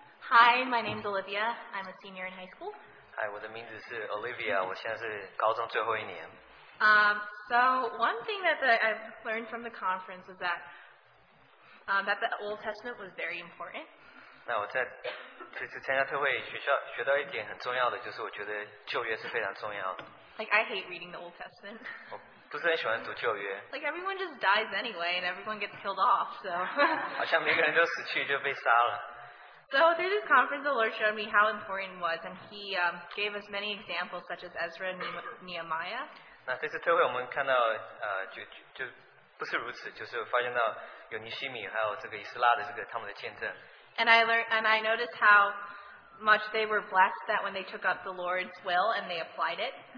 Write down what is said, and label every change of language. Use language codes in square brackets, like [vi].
[en] Hi, my name is Olivia. I'm a senior in high school. [zh] Hi, 我的名字是 Olivia. 我现在是高中最后一年。 [en] So one thing that I've learned from the conference is that that the Old Testament was very important. [zh] 那我在这次参加特会学到一点很重要的，就是我觉得旧约是非常重要的。 [en] Like I hate reading the Old Testament. [zh] 我不是很喜欢读旧约。 [en] Like everyone just dies anyway, and everyone gets killed off, so. [zh] 好像每个人都死去就被杀了。 [en] So through this conference, the Lord showed me how important it was, and He gave us many examples such as Ezra and Nehemiah. [zh] 那这次特会我们看到，就不是如此，就是发现到有尼希米还有这个以斯拉的这个他们的见证。 [en] And I noticed how much they were blessed that when they took up the Lord's will and they applied it.